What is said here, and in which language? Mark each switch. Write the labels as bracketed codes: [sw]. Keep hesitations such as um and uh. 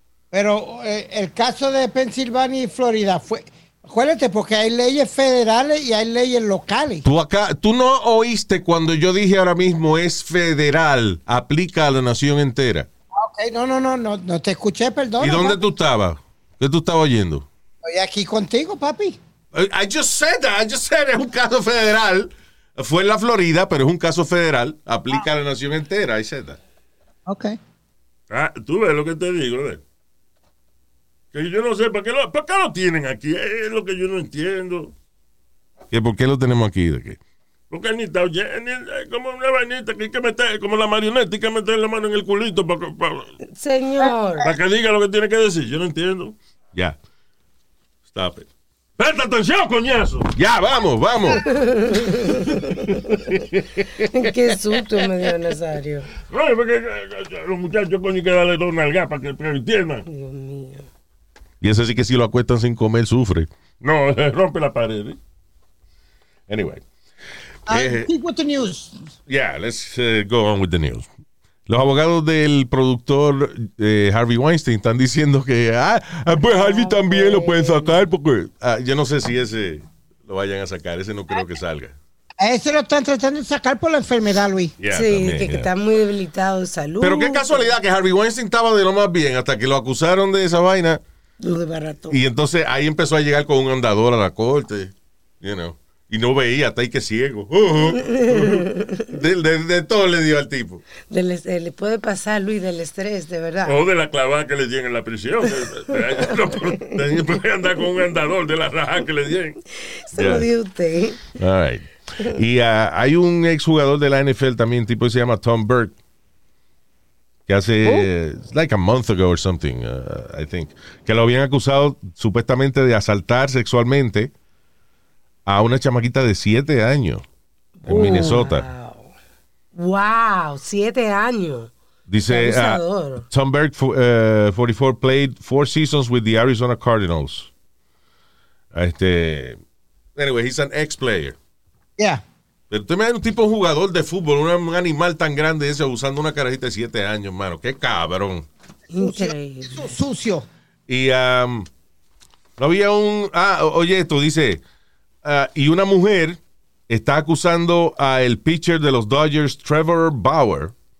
[es] Pero eh, el caso de Pensilvania y Florida fue, acuérdate, porque hay leyes federales y hay leyes locales. Tú acá, tú no oíste cuando yo dije ahora mismo es federal, aplica a la nación entera. Ok, Ey, no, no, no, no, no te escuché, perdón. ¿Y dónde tú estabas? ¿Qué tú estabas oyendo? Estoy aquí contigo, papi. [en] I I just said that. I just said [es] es un caso federal. Fue en la Florida, pero es un caso federal. Aplica a la nación entera. [en] I said that. Ok. [es] Ah, tú ves lo que te digo, ¿ves? Que yo no sé, ¿para qué lo, para qué lo tienen aquí? Es lo que yo no entiendo. ¿Que ¿Por qué lo tenemos aquí? ¿De qué? Porque ni está oyendo, ni- es como una vainita que hay que meter, como la marioneta, hay que meter la mano en el culito para, para, Señor. que diga lo que tiene que decir. Yo no entiendo. [en] Ya. Stop it. [es] ¡Presta atención, coñazo! Ya, vamos, vamos. Qué susto me dio Nazario. Oye, porque eh, eh, los muchachos coño hay que darle dos nalgas para que, para que entiendan. Dios mío. Y eso sí que si lo acuestan sin comer, sufre. No, rompe la pared. ¿eh? [en] Anyway. I Eh, Speak with the news. Yeah, let's uh, go on with the news. [es] Los abogados del productor eh, Harvey Weinstein están diciendo que, ah, ah, pues Harvey también lo pueden sacar porque... Ah, yo no sé si ese lo vayan a sacar, ese no creo que salga. A ese lo están tratando de sacar por la enfermedad, Luis. [en] Yeah, [es] sí, también, que, que [en] yeah. [es] está muy debilitado de salud. Pero qué casualidad que Harvey Weinstein estaba de lo más bien hasta que lo acusaron de esa vaina Lo desbarató. y entonces ahí empezó a llegar con un andador a la corte, [en] you know, [es] y no veía, hasta ahí que ciego. de, de- de todo le dio al tipo. Del est- eh, le puede pasar, Luis, del estrés, de verdad. O de la clavada que le dieron en la prisión. Tenía que andar con un andador de la raja que le dieron. Se lo ya. dio usted. [en] All right. [es] Y ah, hay un exjugador de la NFL también, tipo que se llama Tom Burke, que hace eh, [en] it's like a month ago or something, uh, I think, [es] que lo habían acusado supuestamente de asaltar sexualmente a una chamaquita de 7 años en Minnesota. Wow. wow, siete años. Dice Qué ah, abusador. [en] Tom Burke, fu- eh, 44, played four seasons with the Arizona Cardinals. Este, anyway, he's an ex-player. Yeah. [es] Pero tú imaginas un tipo un jugador de fútbol, un, un animal tan grande ese, usando una carajita de 7 años, mano. Qué cabrón. Increíble. Su- Sucio. Y am, no había un. Ah, o- oye, esto dice. ah, y una mujer está acusando a el pitcher de los Dodgers, Trevor Bauer,